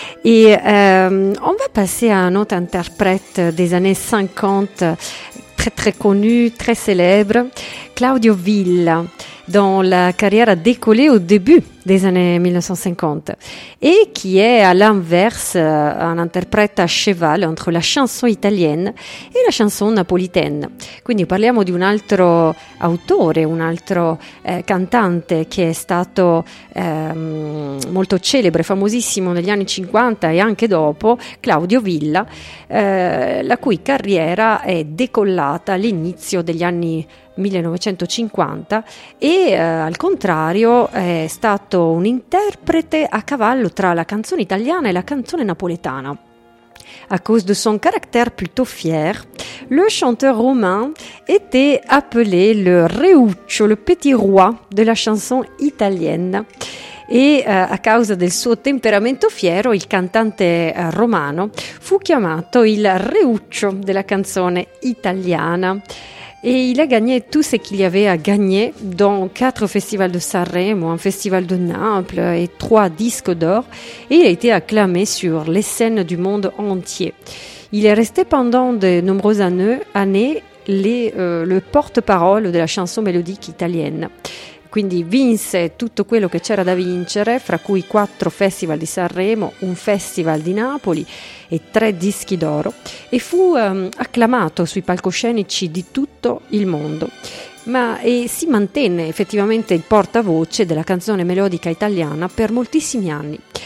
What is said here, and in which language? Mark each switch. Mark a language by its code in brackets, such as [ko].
[fr] Et on va passer à un autre interprète des années 50, très très connu, très célèbre, Claudio Villa, dont la carrière a décollé au début des années 1950. Et qui est à l'inverse un interprète à cheval entre la chanson italienne et la chanson napolitaine. [it] Quindi parliamo di un altro autore, un altro cantante che è stato molto celebre, famosissimo negli anni 50 e anche dopo, Claudio Villa, la cui carriera è decollata all'inizio degli anni 1950 e al contrario è stato un interprete a cavallo tra la canzone italiana e la canzone napoletana. [fr] À cause de son caractère plutôt fier, le chanteur roumain était appelé le Reuccio, le petit roi de la chanson italienne. Et à [it] causa del suo temperamento fiero, il cantante romano fu chiamato il Reuccio della canzone italiana. [fr] Et il a gagné tout ce qu'il y avait à gagner, dont 4 festivals de Sanremo, un festival de Naples et 3 disques d'or. Et il a été acclamé sur les scènes du monde entier. Il est resté pendant de nombreuses années le porte-parole de la chanson mélodique italienne. [it] quindi vinse tutto quello che c'era da vincere, fra cui 4 festival di Sanremo, un festival di Napoli e 3 dischi d'oro, e fu acclamato sui palcoscenici di tutto il mondo. E si mantenne effettivamente il portavoce della canzone melodica italiana per moltissimi anni.